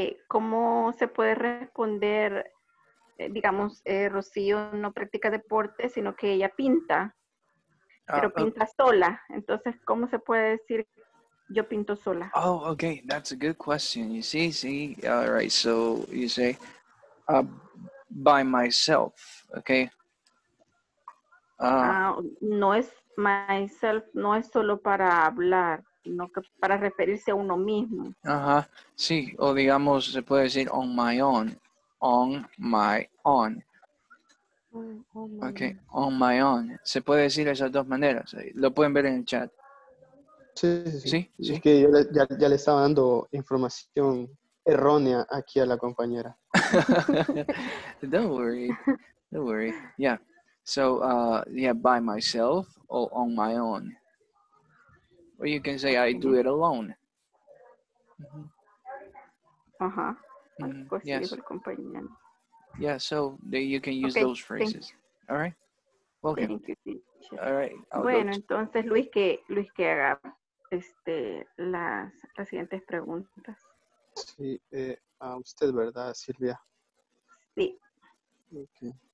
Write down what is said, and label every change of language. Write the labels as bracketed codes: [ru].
[es] ¿Cómo se puede responder, digamos, Rocío no practica deporte, sino que ella pinta, pero pinta sola? Entonces, ¿cómo se puede decir yo pinto sola? [en] Oh, okay, that's a good question. You see, all right, so you say, by myself, okay? [es] No es myself, no es solo para hablar. No, para referirse a uno mismo. Ajá, sí, o digamos, se puede decir [en] on my own, on my own. Ok, on my own. [es] Se puede decir de esas dos maneras, lo pueden ver en el chat. Sí. Es que yo ya le estaba dando información errónea aquí a la compañera. [en] don't worry, yeah. So, by myself or on my own. Or you can say, I do it alone. Mm-hmm. Uh-huh. Yes. Yeah, so you can use those phrases. Thanks. All right. Welcome. Thank you, teacher. All right. [es] I'll bueno, entonces, Luis, que haga las siguientes preguntas. Sí, a usted, ¿verdad, Silvia? Sí. [en] Okay.